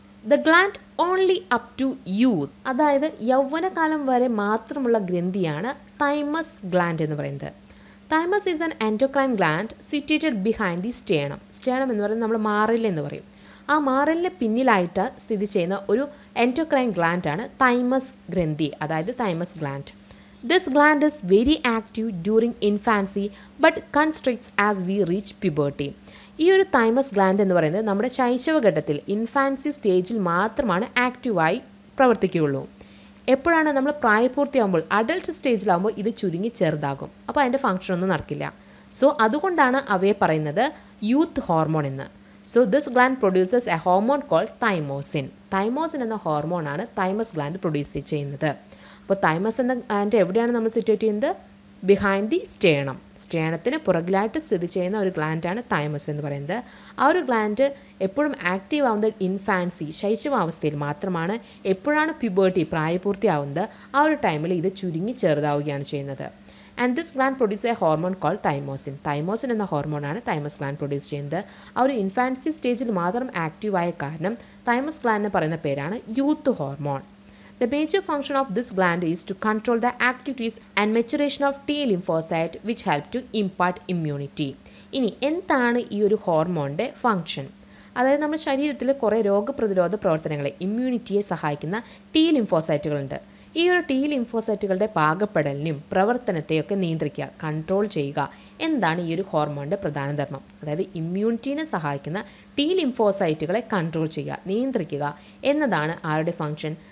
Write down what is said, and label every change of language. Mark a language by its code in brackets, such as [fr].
[en] the gland only up to youth, [ml] അതായത് യൗവനകാലം വരെ മാത്രമുള്ള ഗ്രന്ഥിയാണ് തൈമസ് ഗ്ലാൻഡ് എന്ന് പറയുന്നത്. [en] Thymus is an endocrine gland situated behind the sternum. [ml] Sternum എന്ന് പറയുന്നത് നമ്മൾ മാറില്ല എന്ന് പറയും. ആ മാറലിന് പിന്നിലായിട്ട് സ്ഥിതി ചെയ്യുന്ന ഒരു എൻഡോക്രൈൻ ഗ്ലാൻഡാണ് തൈമസ് ഗ്രന്ഥി, അതായത് thymus gland. [en] This gland is very active during infancy but constricts as we reach puberty. [ml] ഈ ഒരു തൈമസ് ഗ്ലാൻഡ് എന്ന് പറയുന്നത് നമ്മുടെ ശൈശവഘട്ടത്തിൽ ഇൻഫാൻസി സ്റ്റേജിൽ മാത്രമാണ് ആക്റ്റീവായി പ്രവർത്തിക്കുകയുള്ളൂ. എപ്പോഴാണ് നമ്മൾ പ്രായപൂർത്തിയാകുമ്പോൾ അഡൾട്ട് സ്റ്റേജിലാകുമ്പോൾ ഇത് ചുരുങ്ങി ചെറുതാകും. അപ്പോൾ അതിൻ്റെ ഫംഗ്ഷനൊന്നും നടക്കില്ല. സോ അതുകൊണ്ടാണ് അവയെ പറയുന്നത് യൂത്ത് ഹോർമോൺ എന്ന്. [en] So this gland produces a hormone called thymosin. [ml] Thymosin എന്ന ഹോർമോണാണ് തൈമസ് ഗ്ലാൻഡ് പ്രൊഡ്യൂസ് ചെയ്യുന്നത്. അപ്പോൾ തൈമസ് എന്ന ഗ്ലാൻഡ് എവിടെയാണ് നമ്മൾ സിറ്റുവേറ്റ് ചെയ്യുന്നത്? [en] Behind the sternum. [ml] സ്റ്റേണത്തിന് പുറകിലായിട്ട് സ്ഥിതി ചെയ്യുന്ന ഒരു ഗ്ലാൻഡാണ് തൈമസ് എന്ന് പറയുന്നത്. ആ ഒരു ഗ്ലാൻഡ് എപ്പോഴും ആക്റ്റീവ് ആവുന്നത് ഇൻഫാൻസി ശൈശവാവസ്ഥയിൽ മാത്രമാണ്. എപ്പോഴാണ് പ്യുബേർട്ടി പ്രായപൂർത്തിയാവുന്നത് ആ ഒരു ടൈമിൽ ഇത് ചുരുങ്ങി ചെറുതാവുകയാണ് ചെയ്യുന്നത്. [en] And this gland produce a hormone call thymosin. [ml] Thymosin എന്ന ഹോർമോണാണ് തൈമസ് ഗ്ലാൻഡ് പ്രൊഡ്യൂസ് ചെയ്യുന്നത്. ആ ഒരു ഇൻഫാൻസി സ്റ്റേജിൽ മാത്രം ആക്റ്റീവ് ആയ കാരണം തൈമസ് ഗ്ലാൻഡ് എന്ന് പറയുന്ന പേരാണ് youth hormone. [en] The major function of this gland is to control the activities and maturation of T lymphocyte which help to impart immunity. [ml] ഇനി എന്താണ് ഈ ഒരു ഹോർമോണിൻ്റെ ഫങ്ഷൻ? അതായത് നമ്മുടെ ശരീരത്തിൽ കുറേ രോഗപ്രതിരോധ പ്രവർത്തനങ്ങളെ ഇമ്മ്യൂണിറ്റിയെ സഹായിക്കുന്ന ടി ലിംഫോസൈറ്റുകളുണ്ട്. ഈ ഒരു ടി ലിംഫോസൈറ്റുകളുടെ പാകപ്പെടലിനും പ്രവർത്തനത്തെയൊക്കെ നിയന്ത്രിക്കുക, കൺട്രോൾ ചെയ്യുക എന്താണ് ഈ ഒരു ഹോർമോണിൻ്റെ പ്രധാന ധർമ്മം. അതായത് ഇമ്മ്യൂണിറ്റീനെ സഹായിക്കുന്ന ടി ലിംഫോസൈറ്റുകളെ കൺട്രോൾ ചെയ്യുക, നിയന്ത്രിക്കുക എന്നതാണ് ആരുടെ ഫങ്ഷൻ?